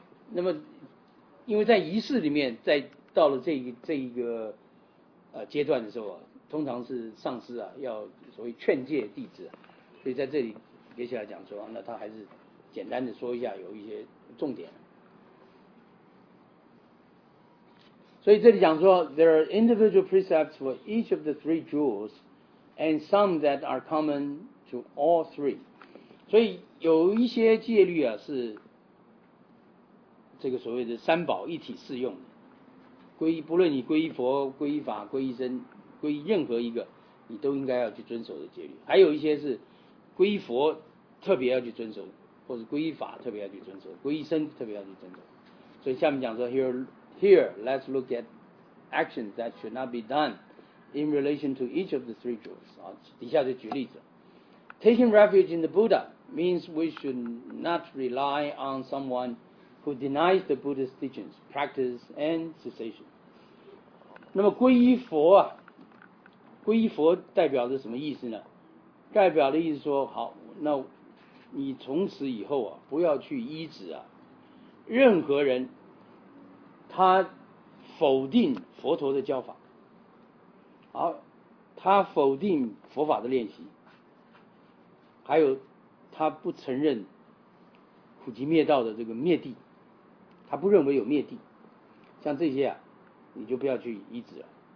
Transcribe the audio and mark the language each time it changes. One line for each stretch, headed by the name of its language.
Chinese: 那么，因为在仪式里面，在到了这一个阶段的时候啊，通常是上师啊要所谓劝诫弟子，所以在这里给起来讲说，那他还是。简单的说一下，有一些重点。所以这里讲说
English: ，there are individual precepts for each of the three jewels, and some that are common to all three.
Chinese: 所以有一些戒律啊是这个所谓的三宝一体适用的，皈依不论你皈依佛、皈依法、皈依僧、皈依任何一个，你都应该要去遵守的戒律。还有一些是皈依佛特别要去遵守的。或者皈依法特别要去遵守，皈依僧特别要去遵守。所以下面讲说
English: here let's look at actions that should not be done in relation to each of the three jewels、啊、
Chinese: 底下就举例子。
English: Taking refuge in the Buddha means we should not rely on someone who denies the Buddha's teachings, practice and cessation.
Chinese: 那么皈依佛代表的什么意思呢？代表的意思说好，那你从此以后啊，不要去依止啊，任何人他否定佛陀的教法，好，他否定佛法的练习，还有他不承认苦集灭道的这个灭谛，他不认为有灭谛，像这些啊，你就不要去依止了。